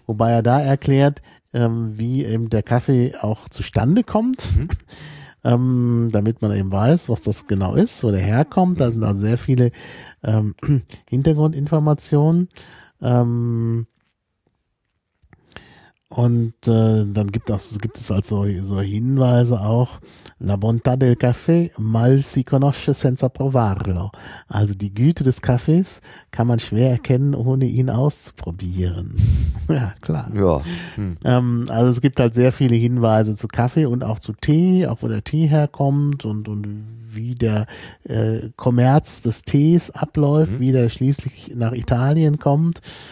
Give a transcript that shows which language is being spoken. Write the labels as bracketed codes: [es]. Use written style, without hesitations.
[de] Wobei er da erklärt, wie eben der Kaffee auch zustande kommt, damit man eben weiß, was das genau ist, wo der herkommt. Da sind also sehr viele Hintergrundinformationen. Und dann gibt es also so Hinweise auch. [it] La bontà del café mal si conosce senza provarlo. [de] Also die Güte des Kaffees kann man schwer erkennen, ohne ihn auszuprobieren. Ja, klar. Ja. Also es gibt halt sehr viele Hinweise zu Kaffee und auch zu Tee, auch wo der Tee herkommt und wie der Kommerz des Tees abläuft, wie der schließlich nach Italien kommt.